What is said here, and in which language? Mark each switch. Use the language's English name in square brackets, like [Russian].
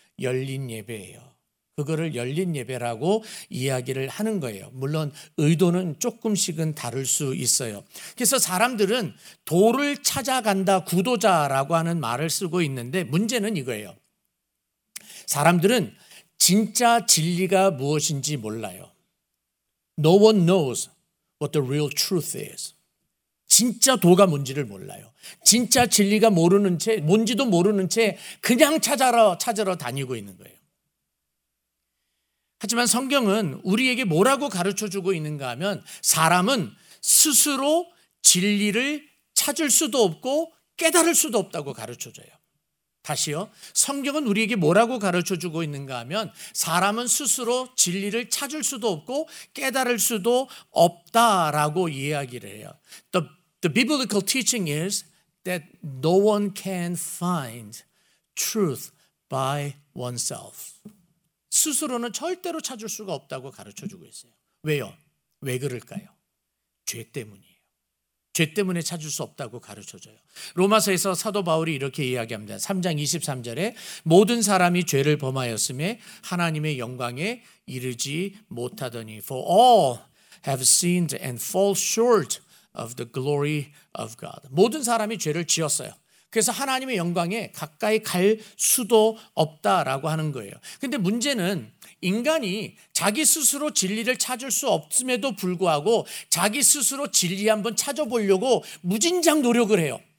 [Korean] 열린 예배예요. 그거를 열린 예배라고 이야기를 하는 거예요. 물론 의도는 조금씩은 다를 수 있어요. 그래서 사람들은 도를 찾아간다, 구도자라고 하는 말을 쓰고 있는데, 문제는 이거예요. 사람들은 진짜 진리가 무엇인지 몰라요. [English] No one knows what the real truth is. [Korean] 진짜 도가 뭔지를 몰라요. 진짜 진리가 모르는 채, 뭔지도 모르는 채 그냥 찾으러 다니고 있는 거예요. 하지만 성경은 우리에게 뭐라고 가르쳐주고 있는가 하면 사람은 스스로 진리를 찾을 수도 없고 깨달을 수도 없다고 가르쳐줘요. 다시요. 성경은 우리에게 뭐라고 가르쳐주고 있는가 하면 사람은 스스로 진리를 찾을 수도 없고 깨달을 수도 없다라고 이야기를 해요. [English] The biblical teaching is that no one can find truth by oneself. [Korean] 스스로는 절대로 찾을 수가 없다고 가르쳐주고 있어요. 왜요? 왜 그럴까요? 죄 때문이에요. 죄 때문에 찾을 수 없다고 가르쳐줘요. 로마서에서 사도 바울이 이렇게 이야기합니다. 3장 23절에 모든 사람이 죄를 범하였음에 하나님의 영광에 이르지 못하더니 [English] For all have sinned and fall short of the glory of God. [Korean] 모든 사람이 죄를 지었어요. 그래서 하나님의 영광에 가까이 갈 수도 없다라고 하는 거예요. 근데 문제는 인간이 자기 스스로 진리를 찾을 수 없음에도 불구하고 자기 스스로 진리 한번 찾아보려고 무진장 노력을 해요.